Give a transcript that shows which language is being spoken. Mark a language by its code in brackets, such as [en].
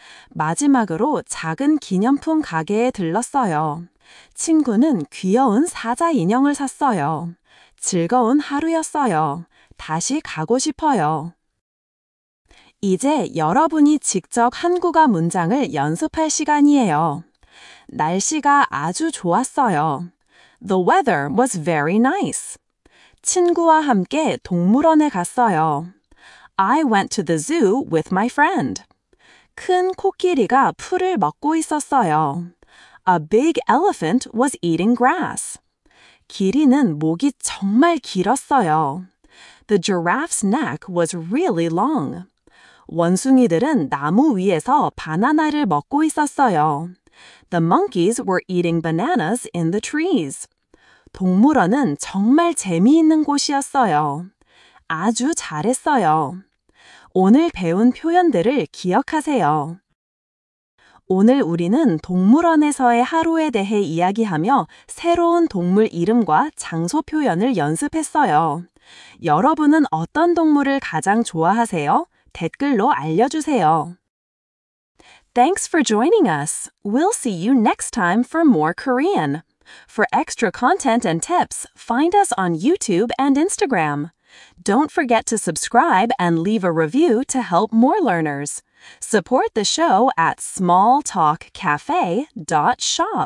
[ko] 마지막으로 작은 기념품 가게에 들렀어요. 친구는 귀여운 사자 인형을 샀어요. 즐거운 하루였어요. 다시 가고 싶어요. 이제 여러분이 직접 한국어 문장을 연습할 시간이에요. 날씨가 아주 좋았어요. [en] The weather was very nice. [ko] 친구와 함께 동물원에 갔어요. [en] I went to the zoo with my friend. [ko] 큰 코끼리가 풀을 먹고 있었어요. [en] A big elephant was eating grass. [ko] 기린은 목이 정말 길었어요. [en] The giraffe's neck was really long. [ko] 원숭이들은 나무 위에서 바나나를 먹고 있었어요. [en] The monkeys were eating bananas in the trees. [ko] 동물원은 정말 재미있는 곳이었어요. 아주 잘했어요. 오늘 배운 표현들을 기억하세요. 오늘 우리는 동물원에서의 하루에 대해 이야기하며 새로운 동물 이름과 장소 표현을 연습했어요. 여러분은 어떤 동물을 가장 좋아하세요? 댓글로 알려주세요. [en] Thanks for joining us. We'll see you next time for more Korean. For extra content and tips, find us on YouTube and Instagram. Don't forget to subscribe and leave a review to help more learners. Support the show at smalltalkcafe.shop.